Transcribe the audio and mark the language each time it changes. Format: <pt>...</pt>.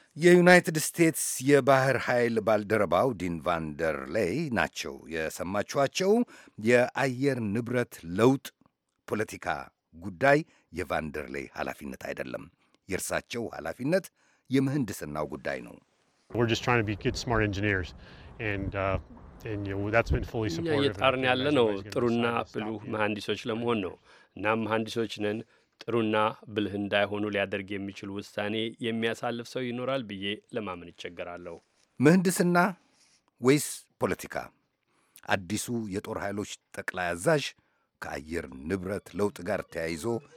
<am>የዩናይትድ ስቴትስ የባህር ኃይል ባልደረባው ዲን ቫንደርሌ ናቸው የሰማችኋቸው። የአየር ንብረት ለውጥ ፖለቲካ ጉዳይ የቫንደርሌ ኃላፊነት አይደለም። የእርሳቸው ኃላፊነት የምህንድስናው ጉዳይ ነው።</am> <en>We're just trying to be good smart engineers and you know that's been fully supported.</en> <am>ያ የጣርን ያለ ነው ጥሩና ብልህ መሐንዲሶች ለመሆን ነው። እና መሐንዲሶች ነን ጥሩና ብልህ እንዳይሆኑ ሊያደርግ የሚችል ውሳኔ የሚያሳልፍ ሰው ይኖራል ብዬ ለማመን ይቸገራለሁ። መህንድስና ወይስ ፖለቲካ? አዲሱ የጦር ኃይሎች ጠቅላይ አዛዥ ከአየር ንብረት ለውጥ ጋር ተያይዞ</am>